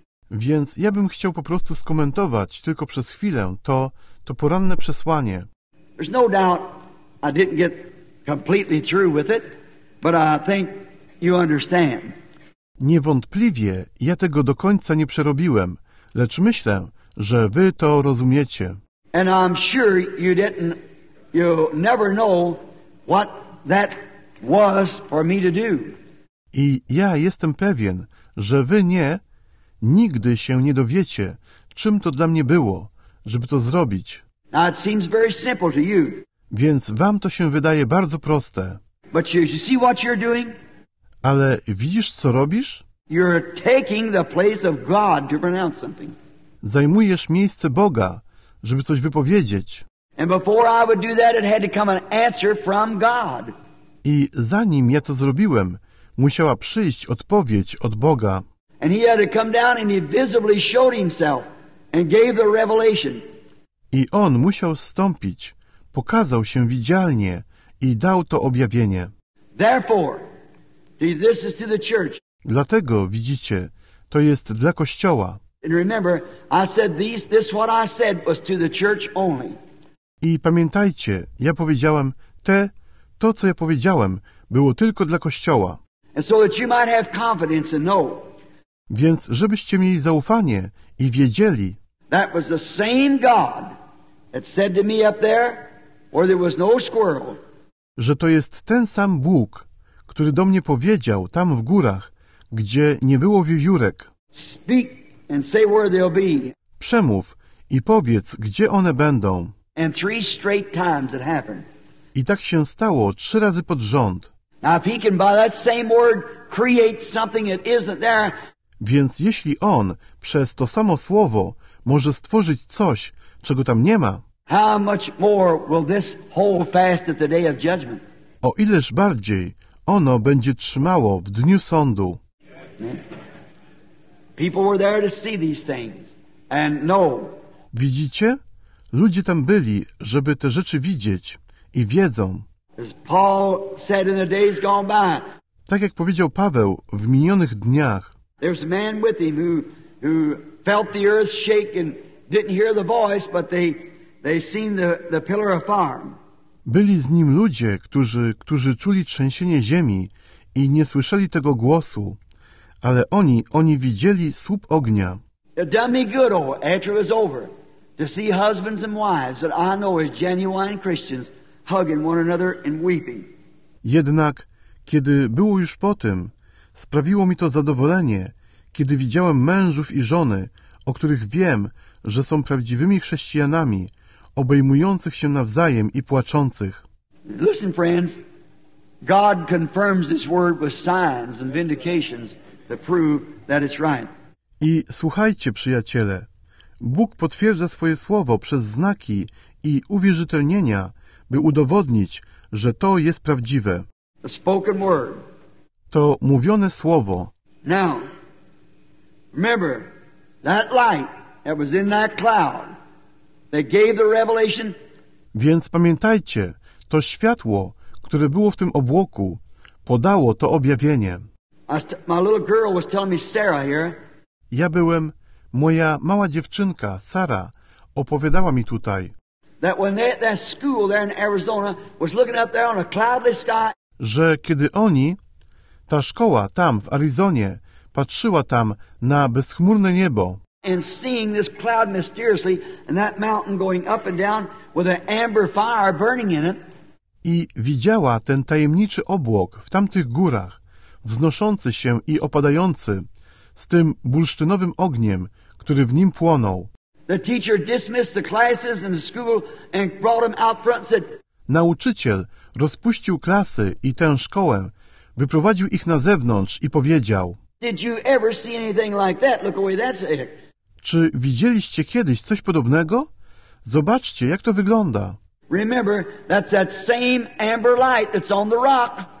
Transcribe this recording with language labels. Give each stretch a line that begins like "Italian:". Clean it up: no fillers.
Polish: Więc ja bym chciał po prostu skomentować tylko przez chwilę to poranne przesłanie.
English: There's no doubt I didn't get completely through with it, but I think you understand.
Polish: Niewątpliwie ja tego do końca nie przerobiłem, lecz myślę, że wy to rozumiecie.
English: And I'm sure you never know what that was for me to do.
Polish: I ja jestem pewien, że wy nigdy się nie dowiecie, czym to dla mnie było, żeby to zrobić.
English: Now it seems very simple to you.
Polish: Więc wam to się wydaje bardzo proste.
English: But you see what you're doing?
Polish: Ale widzisz, co robisz?
English: You're taking the place of God to pronounce something.
Polish: Zajmujesz miejsce Boga, żeby coś wypowiedzieć.
English: And before I would do that, it had to come an answer from God.
Polish: I zanim ja to zrobiłem, musiała przyjść odpowiedź od Boga.
English: And he had to come down and he visibly showed himself and gave the revelation.
Polish: I on musiał zstąpić, pokazał się widzialnie i dał to objawienie.
English: Therefore, this is to the church.
Polish: Dlatego, widzicie, to jest dla Kościoła.
English: And remember, I said this what I said was to the church only.
Polish: I pamiętajcie, ja powiedziałem, to co ja powiedziałem, było tylko dla Kościoła.
English: And so that you might have confidence and know.
Polish: Więc żebyście mieli zaufanie i wiedzieli.
English: That was the same God that said to me up there, where there was no squirrel.
Polish: Że to jest ten sam Bóg, który do mnie powiedział tam w górach, gdzie nie było wiewiórek.
English: Speak and say where they'll be.
Polish: Przemów i powiedz, gdzie one będą.
English: And three straight times it happened.
Polish: I tak się stało trzy razy pod rząd.
English: Now if he can by that same word create something that isn't there.
Polish: Więc jeśli on przez to samo słowo może stworzyć coś, czego tam nie ma,
English: how much more will this hold fast at the day of judgment?
Polish: O ileż bardziej ono będzie trzymało w dniu sądu.
English: People were there to see these things and know.
Polish: Widzicie? Ludzie tam byli, żeby te rzeczy widzieć i wiedzą.
English: As Paul said in the days gone by.
Polish: Tak jak powiedział Paweł w minionych dniach,
English: there's a man with him who felt the earth shake and didn't hear the voice, but they seen the pillar of fire.
Polish: Byli z nim ludzie, którzy czuli trzęsienie ziemi i nie słyszeli tego głosu, ale oni widzieli słup ognia.
English: It done me good, after it was over, to see husbands and wives that I know as genuine Christians hugging one another and weeping.
Polish: Jednak kiedy było już po tym, sprawiło mi to zadowolenie, kiedy widziałem mężów i żony, o których wiem, że są prawdziwymi chrześcijanami, obejmujących się nawzajem i płaczących.
English: Listen, friends, God confirms this word with signs and vindications that prove that it's right.
Polish: I słuchajcie, przyjaciele, Bóg potwierdza swoje słowo przez znaki i uwierzytelnienia, by udowodnić, że to jest prawdziwe.
English: The spoken word.
Polish: To mówione słowo.
English: Now, remember, that light that was in that cloud that gave the revelation.
Polish: Więc pamiętajcie, to światło, które było w tym obłoku, podało to objawienie.
English: My little girl was telling me Sarah here.
Polish: Ja byłem, moja mała dziewczynka, Sara, opowiadała mi tutaj.
English: That when that school there in Arizona was looking up there on a cloudless sky.
Polish: Że kiedy oni... Ta szkoła tam w Arizonie patrzyła tam na bezchmurne niebo.
English: And seeing this cloud mysteriously and that mountain going up and down with an amber fire burning in it.
Polish: I widziała ten tajemniczy obłok w tamtych górach, wznoszący się i opadający, z tym bursztynowym ogniem, który w nim płonął.
English: The teacher dismissed the classes in the school and brought them out front and said,
Polish: nauczyciel rozpuścił klasy i tę szkołę, wyprowadził ich na zewnątrz i powiedział,
English: did you ever see anything like that? Look away, that's it.
Polish: Czy widzieliście kiedyś coś podobnego? Zobaczcie, jak to wygląda.
English: Remember, that's that same amber light that's on the rock.